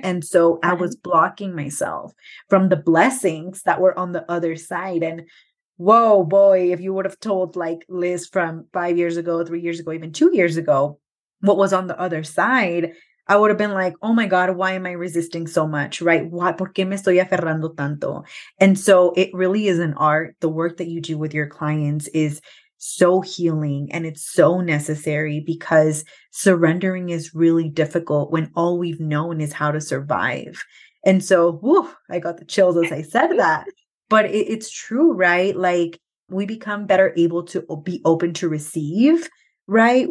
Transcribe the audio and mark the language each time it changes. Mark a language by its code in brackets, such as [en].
[en] And so I was blocking myself from the blessings that were on the other side. And whoa, boy, if you would have told, like, Liz from 5 years ago, 3 years ago, even 2 years ago, what was on the other side, I would have been like, oh my God, why am I resisting so much, right? [es] Why, ¿por qué me estoy aferrando tanto? [en] And so it really is an art. The work that you do with your clients is so healing, and it's so necessary, because surrendering is really difficult when all we've known is how to survive. And so, whew, I got the chills as I said that, but it's true, right? Like, we become better able to be open to receive right?